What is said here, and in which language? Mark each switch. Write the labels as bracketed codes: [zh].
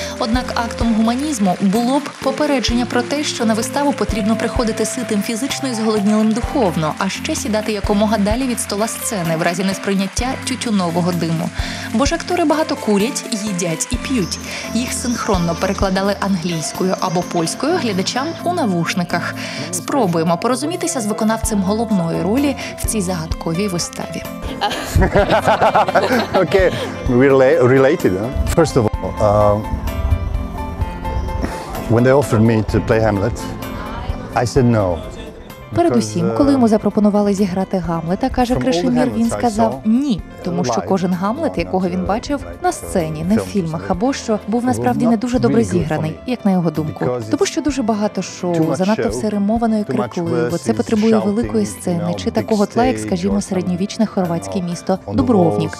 [uk] Однак актом гуманізму було б попередження про те, що на виставу потрібно приходити ситим фізично і зголоднілим духовно, а ще сідати якомога далі від стола сцени в разі несприйняття тютюнового диму. Бо ж актори багато курять, їдять і п'ють. Їх синхронно перекладали англійською або польською глядачам у навушниках. Спробуємо порозумітися з виконавцем головної ролі в цій загадковій виставі. [en] Окей, related, huh? First of all, when they offered me to play Hamlet, I said no. [uk] Передусім, коли йому запропонували зіграти Гамлета, каже Кришимір, він сказав ні, тому що кожен Гамлет, якого він бачив на сцені, не в фільмах, або що, був насправді не дуже добре зіграний, як на його думку. Тому що дуже багато шоу, занадто все римовано і крикливо, це потребує великої сцени, чи такого тла, як, скажімо, середньовічне хорватське місто Дубровнік.